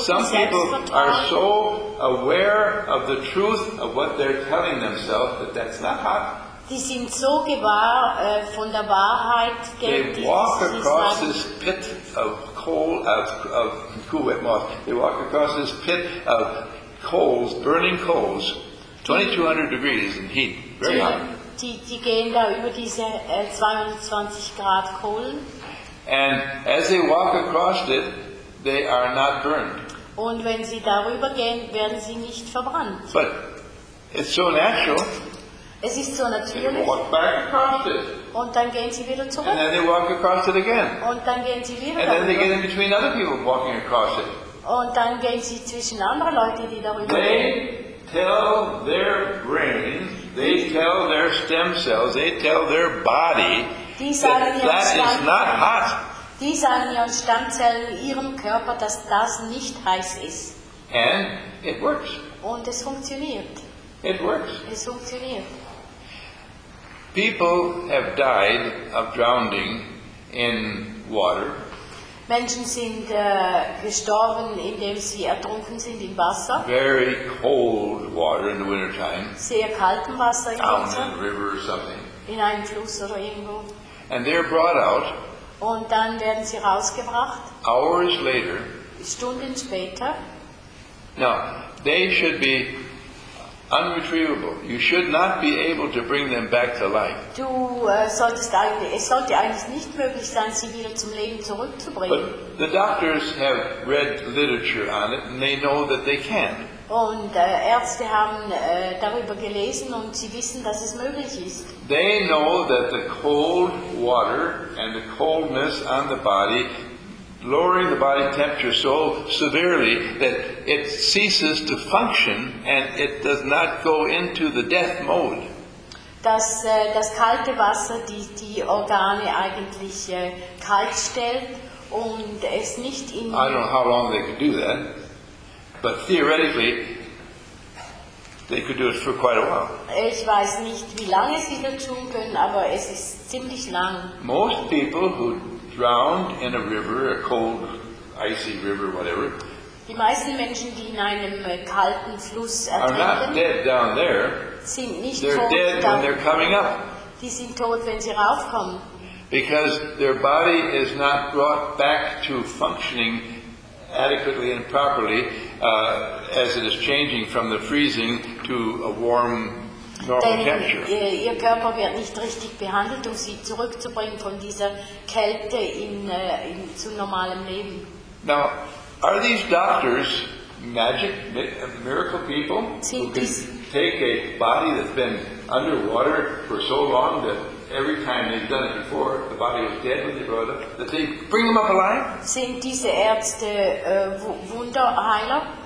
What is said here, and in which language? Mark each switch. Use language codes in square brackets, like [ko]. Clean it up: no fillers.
[en] Some people are so aware of the truth of what they're telling themselves that that's not hot. [de] Die sind so gewahr von der Wahrheit. [en] They walk across this pit of coal of cool wet moss. They walk across this pit of coals, burning coals, 2200 degrees in heat, very hot. [de] Die gehen da über diese 220 Grad Kohlen. [en] And as they walk across it. They are not burned. [de] Und wenn sie darüber gehen, werden sie nicht verbrannt. [en] But it's so natural. [de] Es ist so natürlich. [en] They walk back across it. [de] Und dann gehen sie wieder zurück. [en] And then they walk across it again. [de] Und dann gehen sie wieder. [en] And then they get in between other people walking across it. [de] Und dann gehen sie zwischen andere Leute, die darüber [en] they [de] gehen. [en] Tell their brain, they tell their stem cells, they tell their body that that is not hot. [de] Die sagen ihren Stammzellen, ihrem Körper, dass das nicht heiß ist. [en] And it works. [de] Und es funktioniert. [en] It works. [de] Es funktioniert. [en] People have died of drowning in water. [de] Menschen sind gestorben, indem sie ertrunken sind im Wasser. [en] Very cold water in the wintertime. [de] Sehr kaltem Wasser im [en] Down [de] Winter. [en] In a river or something. [de] In einem Fluss oder irgendwo. [en] And they're brought out. [de] Und dann werden sie rausgebracht. [en] Hours later. [de] Stunden später. [en] Now, they should be unretrievable. You should not be able to bring them back to life. [de] Du solltest eigentlich, es sollte eigentlich nicht möglich sein, sie wieder zum Leben zurückzubringen. [en] But the doctors have read literature on it, and they know that they can. [de] Und Ärzte haben darüber gelesen und sie wissen, dass es möglich ist. [en] They know that the cold water and the coldness on the body lowering the body temperature so severely that it ceases to function and it does not go into the death mode. [de] Dass das kalte Wasser die Organe eigentlich kalt stellt und es nicht in. [en] I don't know how long they could do that. But theoretically, they could do it for quite a while. [de] Ich weiß nicht, wie lange sie das tun können, aber es ist ziemlich lang. [en] Most people who drowned in a river, a cold, icy river, whatever. [de] Die meisten Menschen, die in einem kalten Fluss ertrinken, [en] are not dead down there. [de] Sind nicht [en] they're [de] tot [en] dead down. When they're coming up. [de] Die sind tot, wenn sie raufkommen. [en] Because their body is not brought back to functioning adequately and properly, as it is changing from the freezing to a warm [de] denn ihr Körper wird nicht richtig behandelt, um sie zurückzubringen von dieser Kälte in zu normalem Leben. [en] Now, are these doctors magic miracle people who can take a body that's been underwater for so long that every time they've done it before, the body was dead when they brought it, that they bring them up alive? [de] Sind diese Ärzte Wunderheiler?